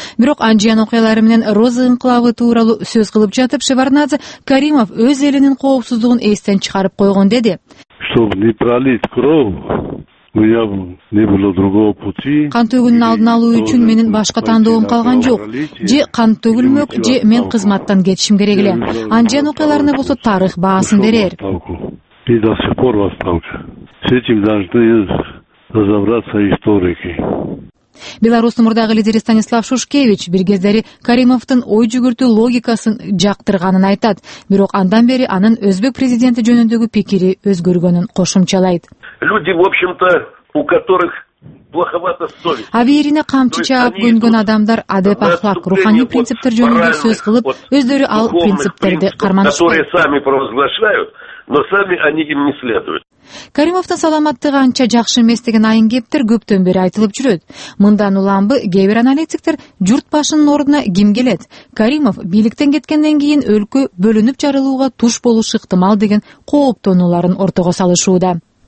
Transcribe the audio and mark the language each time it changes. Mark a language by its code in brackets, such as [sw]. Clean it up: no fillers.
[ky] Бирок Анжиян окуялары менен Роза инкылабы тууралуу сөз кылып жатып, Шеварднадзе Каримов өз элинин коопсуздугун эстен чыгарып койгон деди. [ru] Чтобы не пролить кровь. [ky] Кан төгүүнүн алдын алуу үчүн менин башка тандоом калган жок. Же кан төгүлмөк, же мен кызматтан кетишим керек эле. Анжиян окуяларына болсо тарых баасын берер. [ru] Биз до сих пор в отставке. С этим должны разобраться историки. [ky] Беларусь мурдагы лидери Станислав Шушкевич бир кездери Каримовдун ой жүгүртүү логикасын жактырганын айтат. Бирок андан бери анын өзбек президенти жөнүндөгү пикири өзгөргөнүн кошумчалайт. [ru] Люди, в общем-то, у которых плоховато совесть. [ky] Аверине камчы чаап көнгөн адамдар адеп ахлак, руханий принциптер жөнүндө сөз кылып, өздөрү ал принциптерди карманышты. [ru] Которые сами провозглашают, но сами они им не следуют. [ky] Каримовдун саламаттыгы анча жакшы эмес деген айын кептер көптөн бери айтылып жүрөт. Мындан уламбы кээ бир аналитиктер журт башынын ордуна ким келет? Каримов бийликтен кеткенден кийин өлкө бөлүнүп жарылууга туш болушу ыктымал деген кооптонууларын ортого салышууда.